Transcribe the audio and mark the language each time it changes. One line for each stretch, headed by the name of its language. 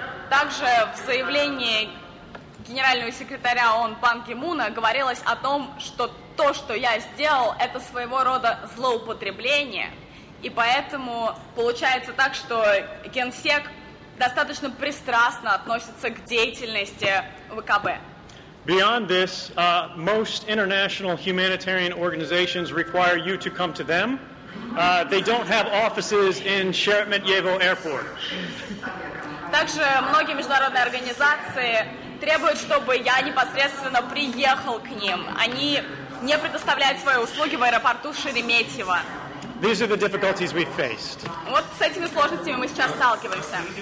Russian: Также в заявлении генерального секретаря ООН Бан Ки-муна говорилось о том, что то, что я сделал, это своего рода злоупотребление, и поэтому получается так, что генсек достаточно пристрастно относится к деятельности ВКБ.
English: Beyond this, most international humanitarian organizations require you to come to them. They don't have offices in Sheremetyevo Airport.
Russian: Также многие международные организации требуют, чтобы я непосредственно приехал к ним. Они не предоставляют свои услуги в аэропорту Шереметьево.
English: These are the difficulties we faced.
Russian: Вот с этими сложностями мы сейчас сталкиваемся.